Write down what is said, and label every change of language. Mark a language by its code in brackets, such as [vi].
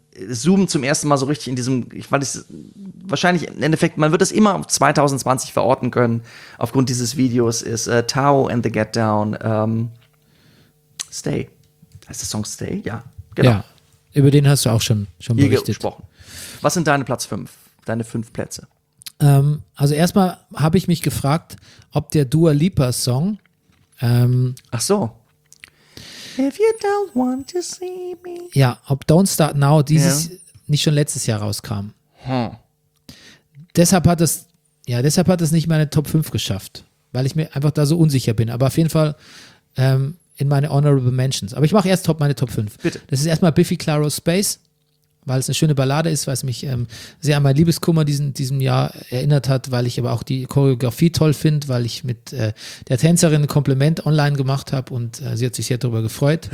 [de] Zoom zum ersten Mal so richtig in diesem, wahrscheinlich im Endeffekt, man wird es immer auf 2020 verorten können, aufgrund dieses Videos, ist Tao and the Get Down, Stay. Heißt der Song Stay? Ja, genau. Ja, über den hast du auch schon berichtet. Gesprochen. Was sind deine Platz 5, deine 5 Plätze? Also erstmal habe ich mich gefragt, ob der Dua Lipa Song, ach so. [en] If you don't want to see me. [de] Ja, ob Don't Start Now dieses nicht schon letztes Jahr rauskam. Hm. Deshalb hat das nicht meine Top 5 geschafft, weil ich mir einfach da so unsicher bin. Aber auf jeden Fall in meine Honorable Mentions. Aber ich mache erst meine Top 5. Bitte. Das ist erstmal Biffy Clyro's Space, weil es eine schöne Ballade ist, weil es mich sehr an mein Liebeskummer diesem Jahr erinnert hat, weil ich aber auch die Choreografie toll finde, weil ich mit der Tänzerin ein Kompliment online gemacht habe und sie hat sich sehr darüber gefreut.